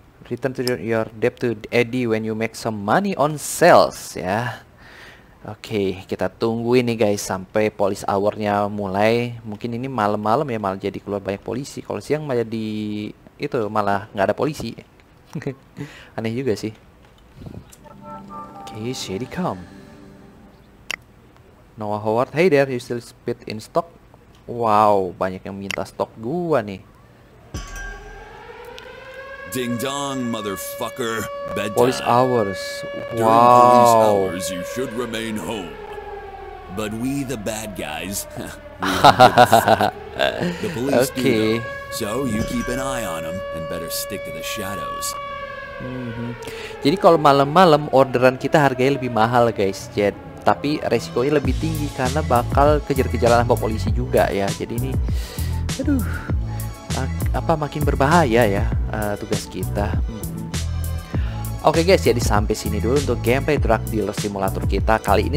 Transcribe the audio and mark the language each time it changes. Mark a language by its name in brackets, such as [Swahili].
[English] Return to your debt to Eddie when you make some money on sales ya. [Indonesian] Oke, kita tunggu ini guys sampai police hour-nya mulai. Mungkin ini malam-malam ya, malah jadi keluar banyak polisi. Kalau siang malah di itu malah nggak ada polisi. Aneh juga sih. Oke, [English] shady calm. Noah Howard, hey there, you still speed in stock? [Indonesian] Wow, banyak yang minta stok gua nih. [English] Ding dong, motherfucker. Bedtime. Police hours. Wow. During police hours, you should remain home. But we the bad guys. The police okay. Do know, so you keep an eye on them and better stick to the shadows. [Indonesian] Jadi kalau malam-malam orderan kita harganya lebih mahal guys, Jet. Tapi resikonya lebih tinggi karena bakal kejar-kejaran sama polisi juga ya. Jadi ini, aduh, apa makin berbahaya ya tugas kita. Oke guys, jadi sampai sini dulu untuk gameplay Drug Dealer Simulator kita kali ini.